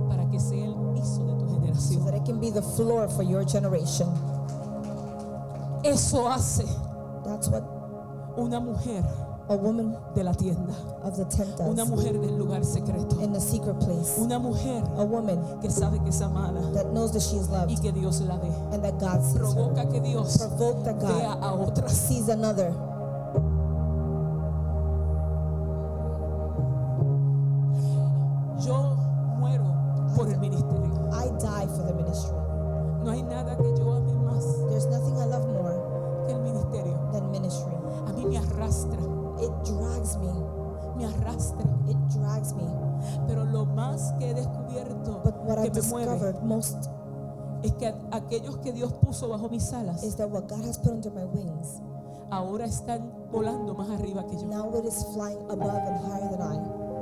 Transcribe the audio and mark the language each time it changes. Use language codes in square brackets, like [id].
[es] para que sea el piso de tu generación, [en] so that I can be the floor for your generation. [es] Eso hace, [en] that's what [es] una mujer, [en] a woman [es] de la tienda, [en] of the tent does, [es] una mujer del lugar secreto, [en] in the secret place, [es] una mujer, [en] a woman [es] que sabe que es amada, [en] that knows that she is loved, [es] y que Dios la ve, [en] and that God sees [es] provoca [en] her, [es] que Dios [en] provoke that God [es] vea a otra, [en] sees another. [es] Yo muero por el ministerio. [en] I die for the ministry. [es] No hay nada que yo ame más. [en] There's nothing I love more [es] que el ministerio. [en] Than ministry. [es] A mí me arrastra. [en] It drags me. [es] Me arrastra. [en] It drags me. [es] Pero lo más que he descubierto, [en] but what [es] que [en] I've [es] me [en] discovered [es] mueve, [en] most, [es] es que aquellos que Dios puso bajo mis alas, [en] is that what God has put under my wings, [es] ahora están volando más arriba que yo. [en] Now it is flying above and higher than I.